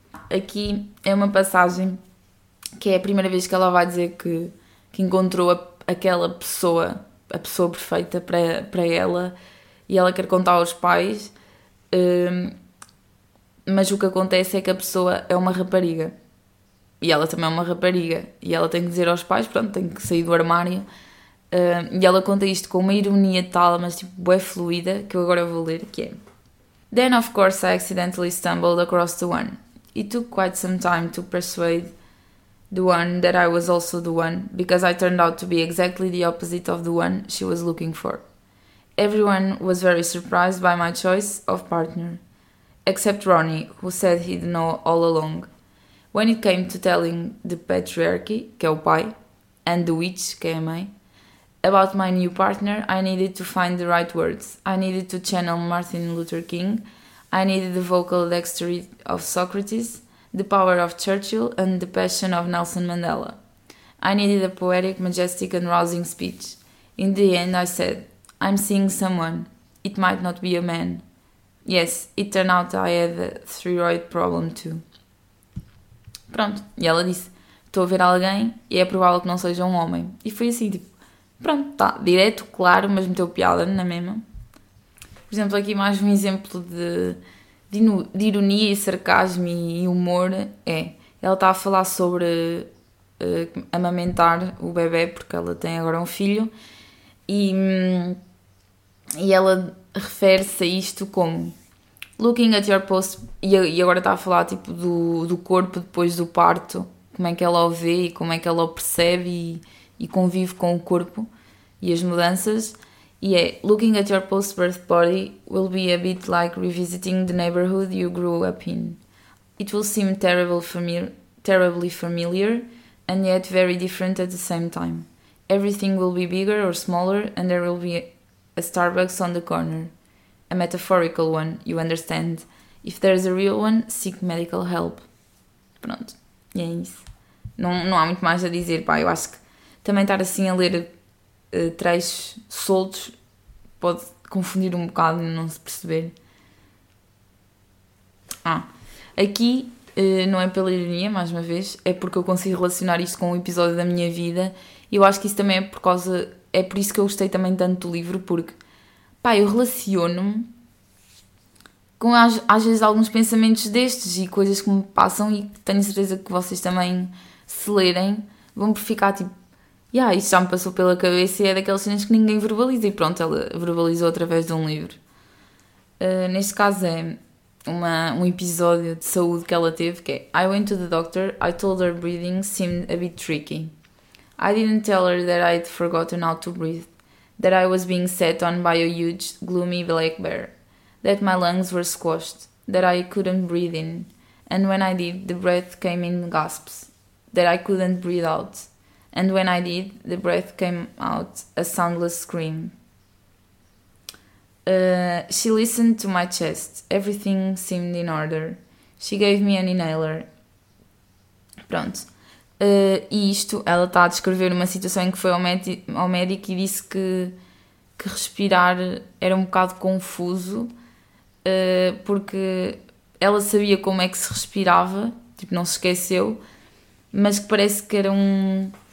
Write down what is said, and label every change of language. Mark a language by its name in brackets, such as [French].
[Portuguese] Aqui é uma passagem que é a primeira vez que ela vai dizer que encontrou aquela pessoa, a pessoa perfeita para ela, e ela quer contar aos pais, mas o que acontece é que a pessoa é uma rapariga. E ela também é uma rapariga. E ela tem que dizer aos pais, pronto, tem que sair do armário. E ela conta isto com uma ironia tal, mas tipo, bué fluida, que eu agora vou ler, que é: [English] "Then of course I accidentally stumbled across the one. It took quite some time to persuade the one that I was also the one, because I turned out to be exactly the opposite of the one she was looking for. Everyone was very surprised by my choice of partner, except Ronnie, who said he'd know all along. When it came to telling the patriarchy, [Portuguese] que é o pai, [English] and the witch, [Portuguese] que é a mãe, [English] about my new partner, I needed to find the right words. I needed to channel Martin Luther King. I needed the vocal dexterity of Socrates, the power of Churchill, and the passion of Nelson Mandela. I needed a poetic, majestic, and rousing speech. In the end, I said, I'm seeing someone. It might not be a man. Yes, it turned out I had a thyroid problem too." [Portuguese] Pronto, e ela disse: "Estou a ver alguém e é provável que não seja um homem." E foi assim, tipo, pronto, tá, direto, claro, mas meteu piada na mesma. Por exemplo, aqui mais um exemplo de ironia e sarcasmo e humor é: ela está a falar sobre amamentar o bebê, porque ela tem agora um filho, e ela refere-se a isto como: [English] "Looking at your post," [Portuguese] e agora está a falar tipo do corpo depois do parto, como é que ela o vê e como é que ela o percebe e convive com o corpo e as mudanças. [English] E é: "Looking at your post-birth body will be a bit like revisiting the neighborhood you grew up in. It will seem terribly familiar and yet very different at the same time. Everything will be bigger or smaller and there will be a Starbucks on the corner. A metaphorical one, you understand. If there's a real one, seek medical help." [Portuguese] Pronto, e é isso. Não, não há muito mais a dizer, pá. Eu acho que também estar assim a ler trechos soltos pode confundir um bocado e não se perceber. Ah, aqui não é pela ironia, mais uma vez, é porque eu consigo relacionar isto com um episódio da minha vida e eu acho que isso também é por causa. É por isso que eu gostei também tanto do livro, porque. Pá, eu relaciono-me com às vezes alguns pensamentos destes e coisas que me passam e tenho certeza que vocês também se lerem vão por ficar tipo, yeah, isso já me passou pela cabeça e é daquelas cenas que ninguém verbaliza e pronto, ela verbalizou através de um livro. Neste caso é um episódio de saúde que ela teve que é: [English] "I went to the doctor, I told her breathing seemed a bit tricky. I didn't tell her that I'd forgotten how to breathe. That I was being set on by a huge, gloomy black bear. That my lungs were squashed. That I couldn't breathe in. And when I did, the breath came in gasps. That I couldn't breathe out. And when I did, the breath came out a soundless scream. She listened to my chest. Everything seemed in order. She gave me an inhaler." Pronto. [Portuguese] E isto, ela está a descrever uma situação em que foi ao médico e disse que respirar era um bocado confuso, porque ela sabia como é que se respirava, tipo, não se esqueceu, mas que parece que era um.